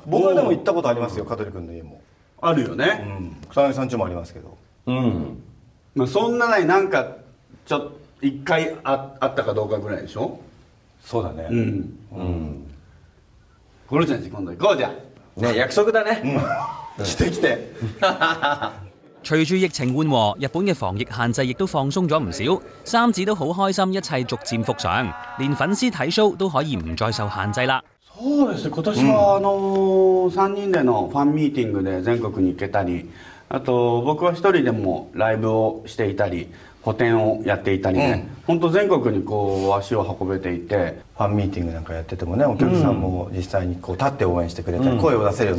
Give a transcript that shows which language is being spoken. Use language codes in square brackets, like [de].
[ja] 僕はでも行ったことありますよ香取君の家もあるよね、うん、草薙さんちもありますけどうん、まあ、そんなないなんかちょっと1回あったかどうかぐらいでしょそうだねうんうんゴロちゃんち今度行こうじゃね約束だね、うん、来て来て [yue] 随着疫情缓和日本的防疫限制亦都放松了不少三子都很开心一切逐渐复常连粉丝看 show 都可以不再受限制了 [ja] そうです今年は、3人でのファンミーティングで全国に行けたりあと僕は一人でもライブをしていたり個展をやっていたりね、うん、本当全国にこう足を運べていてファンミーティングなんかやっててもねお客さんも実際にこう立って応援してくれたり、うん、声を出せるよう